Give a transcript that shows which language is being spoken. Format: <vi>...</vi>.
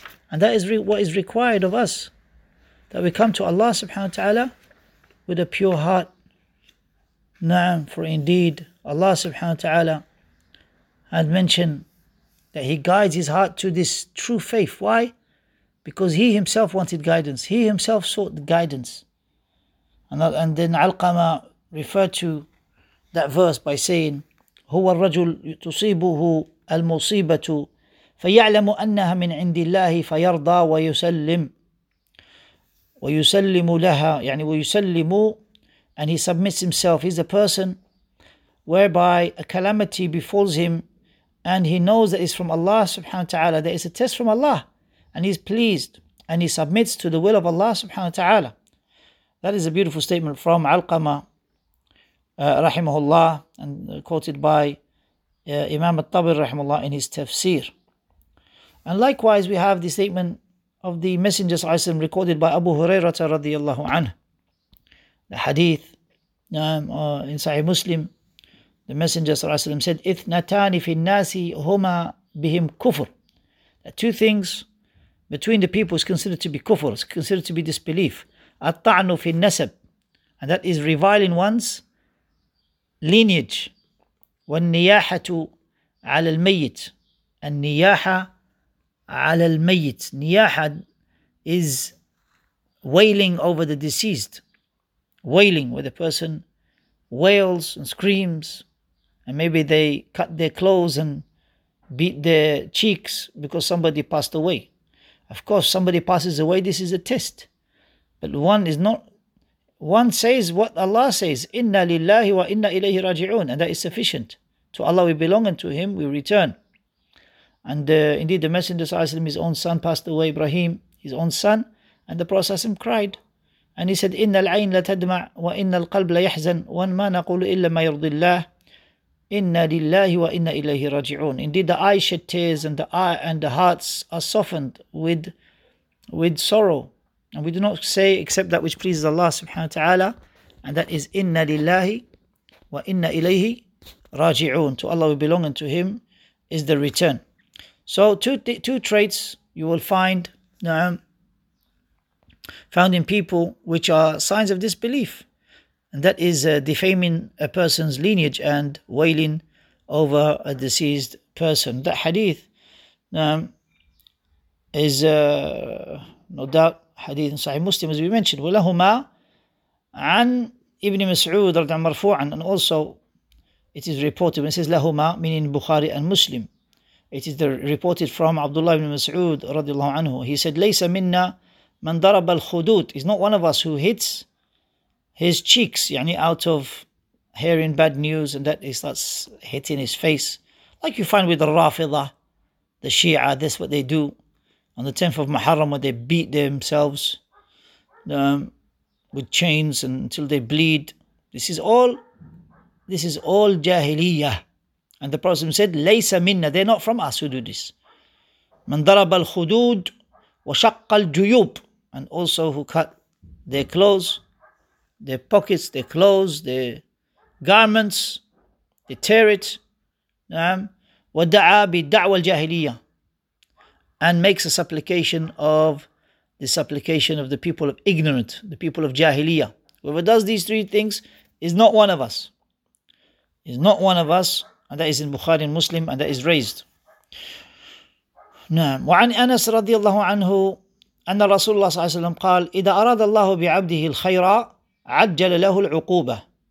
<en>And that is what is required of us, that we come to Allah subhanahu wa ta'ala with a pure heart. Na'am, for indeed Allah subhanahu wa ta'ala had mentioned that he guides his heart to this true faith. Why? Because he himself wanted guidance. He himself sought the guidance. And then Alqama referred to that verse by saying,</en> <ar>هو الرجل تصيبه المصيبة فَيَعْلَمُ أَنَّهَا مِنْ عِنْدِ اللَّهِ فَيَرْضَى وَيُسَلِّمُ لَهَا يعني وَيُسَلِّمُ.</ar> <en>And he submits himself. He's a person whereby a calamity befalls him and he knows that it's from Allah subhanahu wa ta'ala, that it's a test from Allah, and he's pleased and he submits to the will of Allah subhanahu wa ta'ala. That is a beautiful statement from Alqama rahimahullah, and quoted by Imam al-Tabir rahimahullah in his tafsir. And likewise, we have the statement of the Messenger صلى الله عليه وسلم recorded by Abu Hurairah رضي الله عنه. The hadith in Sahih Muslim, the Messenger صلى الله عليه وسلم said,</en> <ar>إِثْنَتَانِ فِي النَّاسِ هُمَا بِهِمْ كُفْر.</ar> <en>That two things between the people is considered to be kufr, is considered to be disbelief.</en> <ar>أَطَّعْنُ فِي النَّسَبْ.</ar> <en>And that is reviling one's lineage.</en> <ar>وَالنِّيَاحَةُ عَلَى الْمَيِّتِ. النِّيَاحَةُ على الميت.</ar> <en>نياحة is wailing over the deceased. Wailing, where the person wails and screams, and maybe they cut their clothes and beat their cheeks because somebody passed away. Of course, somebody passes away, this is a test. But one is not, one says what Allah says,</en> <ar>إِنَّا لِلَّهِ وَإِنَّا إِلَيْهِ رَاجِعُونَ.</ar> <en>And that is sufficient. To Allah we belong and to Him we return. And indeed the Messenger صلى الله عليه وسلم, his own son passed away, Ibrahim, his own son. And the Prophet صلى الله عليه وسلم cried. And he said,</en> <ar>إِنَّ الْعَيْنَ لَتَدْمَعْ وَإِنَّ الْقَلْبَ لَيَحْزَنُ وَمَا نَقُولُ إِلَّا مَا يَرْضِ اللَّهِ إِنَّ لِلَّهِ وَإِنَّ إِلَيْهِ رَاجِعُونَ.</ar> <en>Indeed the eyes shed tears and the eye and the hearts are softened with sorrow. And we do not say except that which pleases Allah subhanahu wa ta'ala. And that is</en> <ar>إِنَّ لِلَّهِ وَإِنَّ إِلَيْهِ رَاجِعُونَ.</ar> <en>To Allah we belong and to Him is the return. So two traits you will find found in people which are signs of disbelief. And that is defaming a person's lineage and wailing over a deceased person. That hadith is no doubt hadith in Sahih Muslim, as we mentioned.</en> <ar>وَلَهُمَا عَنْ إِبْنِ مَسْعُودَ رَضِيَ اللَّهُ مَرْفُوعًا.</ar> <en>And also it is reported when it says لَهُمَا, meaning Bukhari and Muslim. It is reported from Abdullah ibn Mas'ud radiallahu anhu. He said,</en> <ar>لَيْسَ مِنَّا مَنْ ضَرَبَ الْخُدُودِ.</ar> <en>He's not one of us who hits his cheeks, يعني out of hearing bad news, and that he starts hitting his face. Like you find with the Rafida, the Shia, that's what they do on the 10th of Muharram, where they beat themselves with chains until they bleed. This is all Jahiliyyah. And the Prophet said,</en> <ar>لَيْسَ مِنَّا,</ar> <en>they're not from us who do this.</en> <ar>مَنْ ضَرَبَ الْخُدُودِ وَشَقَّ الْجُيُوبِ,</ar> <en>and also who cut their clothes, their pockets, their clothes, their garments, they tear it.</en> <ar>وَدَعَى بِدَعْوَ الْجَاهِلِيَّةِ,</ar> <en>and makes a supplication of the supplication of the people of ignorant, the people of Jahiliyyah. Whoever does these three things is not one of us. Is not one of us. And that is in Bukhari and Muslim, and that is raised.</en> <ar>نعم. وعن أنس رضي الله عنه أن رسول الله صلى الله عليه وسلم قال إذا أراد الله بعبده الخير عجل له العقوبة.</ar>